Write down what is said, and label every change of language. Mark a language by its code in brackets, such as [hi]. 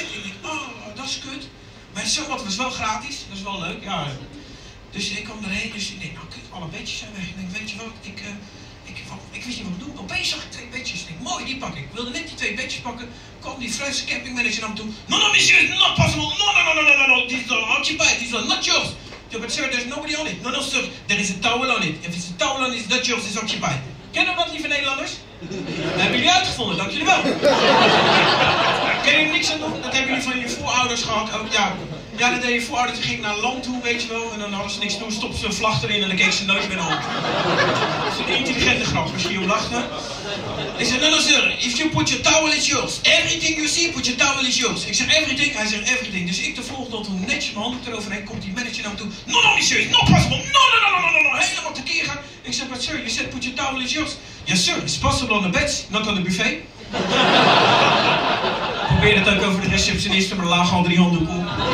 [nl] Ik dacht, oh, dat is kut. Maar het zwembad was wel gratis. Dat is wel leuk, ja. Dus ik kwam erheen. Dus ik denk, nou kut, alle bedjes zijn weg. Ik denk, weet je wat, ik wist niet wat ik doen. Opeens zag ik twee bedjes. Ik denk, mooi, die pak ik. Ik wilde net die twee bedjes pakken. Kwam die Franse campingmanager naar me toe. [en] No, no, monsieur, not possible. No, no, no, no, no, no, no. This is all occupied. This is all not yours. But sir, there's nobody on it. No, no, sir. There is a towel on it. If it's a towel on it, that yours is occupied. [nl] Kennen we dat, lieve Nederlanders? Dat hebben jullie uitgevonden, dank jullie wel. Ken je niks aan doen? Dat hebben jullie van je voorouders gehad. Ook, ja. Ja, dat deed je voorouders. Die ging naar land toe, weet je wel. En dan hadden ze niks doen. Stopten ze een vlag erin en dan keek ze nooit meer naar op. Dat is een intelligente grap, misschien om lachen. Ik zei, [en] no, no, sir. If you put your towel, it's yours. Everything you see, put your towel, it's yours. [nl] Ik zeg, everything. Hij zegt, everything. Dus ik de volgende dat hoe netjes mijn handen eroverheen komt die manager naar me toe. [en] No, no, sir. It's not possible. No, no, no, no, no, no, no. [nl] Helemaal tekeer gaan. Ik zeg, [en] but sir, you said put your towel, it's yours. Yes, sir. It's possible on the beds, not on the buffet. [nl] Probeer het ook over de receptionist, maar er lagen al drie handen op.